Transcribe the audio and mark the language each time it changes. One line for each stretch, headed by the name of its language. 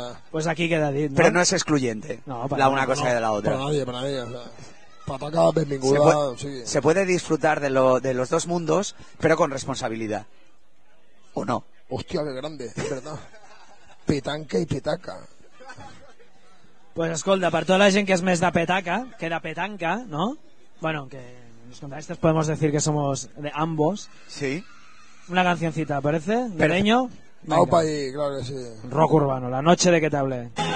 Spanish: Pues aquí queda dit, ¿no? Pero no es excluyente, no, la una cosa no, y de la otra. Para nadie. O sea, petaca, bienvenida. Se puede disfrutar de los dos mundos, pero con responsabilidad. ¿O no? Hostia, qué grande, es verdad. Petanca y petaca.
Catalan: Pues escolta, per tota la gent que és més de petaca que de petanca, no?
Spanish: Bueno, que los contrastes podemos decir que somos de ambos. Sí. Una cancioncita, ¿parece? Guereño. Aupa ahí, claro que sí. Rock urbano, la noche de que te hablé.